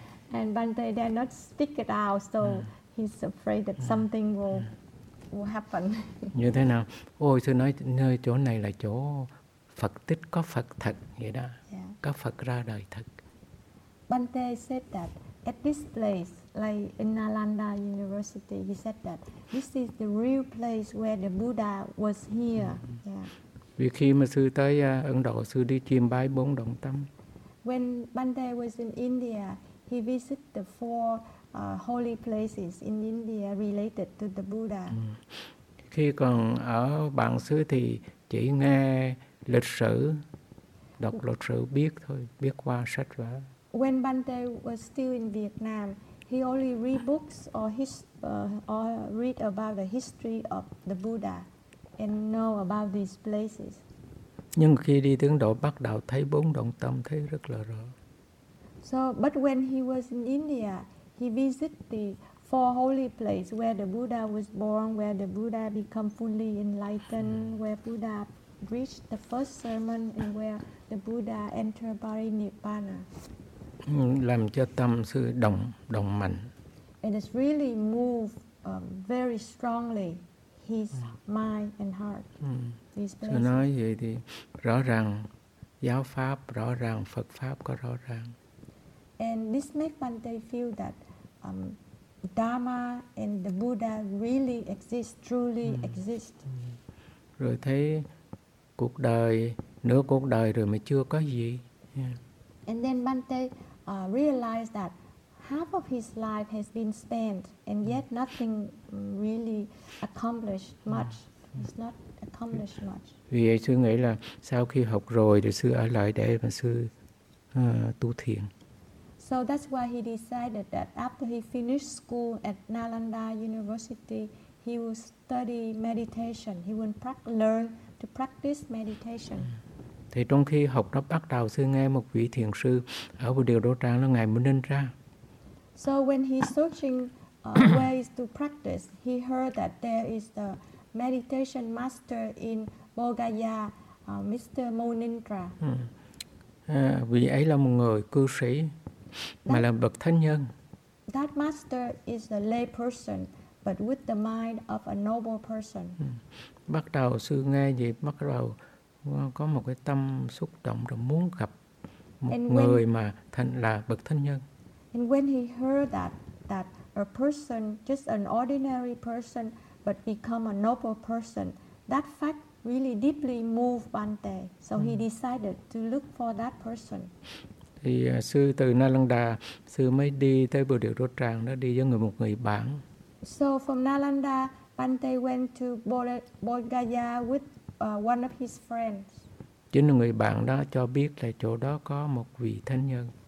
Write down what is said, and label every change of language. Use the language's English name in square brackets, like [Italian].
[English] And Bhante dare not speak it out, so he's afraid that something will happen. [Vietnamese] Như thế nào? Ôi sư nói nơi chỗ này là chỗ Phật tích, có Phật thật vậy đó. Có Phật ra đời thật. [English] Bhante said that at this place, like in Nalanda University, he said that this is the real place where the Buddha was here. Yeah. [Vietnamese] Vì khi mà sư tới Ấn Độ, sư đi chiêm bái bốn động tâm. [English] When Bhante was in India, he visited the four holy places in India related to the Buddha. [Vietnamese] Khi còn ở bản xứ thì chỉ nghe lịch sử, đọc lịch sử biết thôi, biết qua sách vở. [English] When Bhante was still in Vietnam, he only read books or read about the history of the Buddha and know about these places. [Vietnamese] Nhưng khi đi tiến độ bắt đầu thấy bốn động tâm thấy rất là rõ. [English] So, but when he was in India, he visited the four holy places where the Buddha was born, where the Buddha become fully enlightened, where Buddha reached the first sermon, and where the Buddha entered Parinibbana. [Vietnamese] Làm cho tâm sư đồng mạnh. [English] It is really moved very strongly his mind and heart. [Vietnamese] Sư nói vậy thì rõ ràng giáo pháp rõ ràng, Phật pháp có rõ ràng. [English] And this makes Bhante feel that Dharma and the Buddha really exist, truly exist. [Vietnamese] Rồi thấy cuộc đời, nửa cuộc đời rồi mà chưa có gì. [English] And then Bhante realized that half of his life has been spent and yet nothing really accomplished much. It's not accomplished much. [Vietnamese] Vì vậy sư nghĩ là sau khi học rồi thì sư ở lại để mà sư tu thiền. [English] So that's why he decided that after he finished school at Nalanda University, he will study meditation. He will learn to practice meditation. [Vietnamese] Thì trong khi học nó bắt đầu, sư nghe một vị thiền sư ở Bồ Đề Đạo Tràng là ngài Minh Ninh ra. [English] So when he's searching ways to practice, he heard that there is the meditation master in Bogaya, Mr. Monindra. [Vietnamese] Vị ấy là một người cư sĩ. Mà là bậc thánh nhân. [English] That master is a lay person, but with the mind of a noble person. [Vietnamese] Bắt đầu sư nghe gì, bắt đầu có một cái tâm xúc động rồi muốn gặp một người mà thành là bậc thánh nhân. [English] And when he heard that a person, just an ordinary person, but become a noble person, that fact really deeply moved Bhante. So he decided to look for that person. [Vietnamese] Thì sư từ Nalanda, sư mới đi tới Bồ Đề Đạo Tràng, đó đi với một người bạn. [English] So from Nalanda, Bhante went to Bodhgaya with one of his friends. [Vietnamese] Chính là người bạn đó cho biết là chỗ đó có một vị thánh nhân.